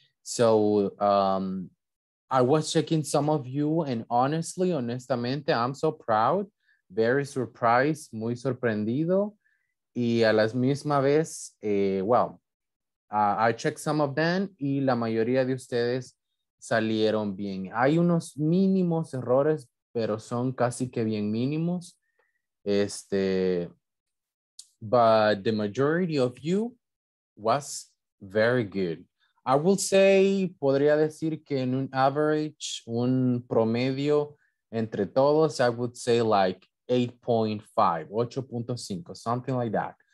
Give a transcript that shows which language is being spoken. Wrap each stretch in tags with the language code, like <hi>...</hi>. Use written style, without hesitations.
<en>So I was checking some of you and honestamente, I'm so proud, very surprised,</en> <es>muy sorprendido. Y a la misma vez,</es> <en>I checked some of them</en> <es>y la mayoría de ustedes salieron bien. Hay unos mínimos errores, pero son casi que bien mínimos.</es> <en>But the majority of you was very good. I will say,</en> <es>podría decir que en un average, un promedio entre todos,</es> <en>I would say like 8.5, 8.5, something like that.</en>